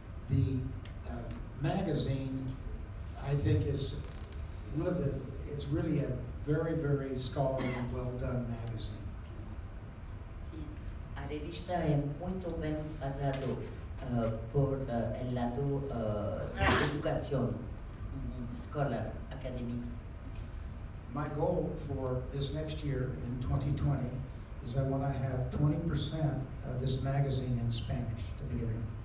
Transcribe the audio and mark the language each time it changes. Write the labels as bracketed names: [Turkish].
[English] The magazine, I think, is one of the, it's really a very, very scholarly and well done magazine. [Portuguese] A revista é muito bem fazada por el lado educação, [English] scholar, academics. My goal for this next year in 2020 is I want to have 20% of this magazine in Spanish to begin with.